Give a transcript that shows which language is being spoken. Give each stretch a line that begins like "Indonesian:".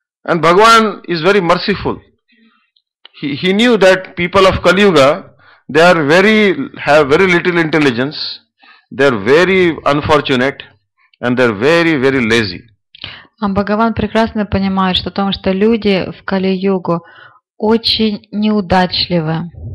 English: And Bhagavan is very merciful. He knew that people of Kali-Yuga, they are have very little intelligence, they are very unfortunate, and they are very, very lazy.
Russian: Бхагаван прекрасно понимает, что то, что люди в Кали-Югу очень неудачливы.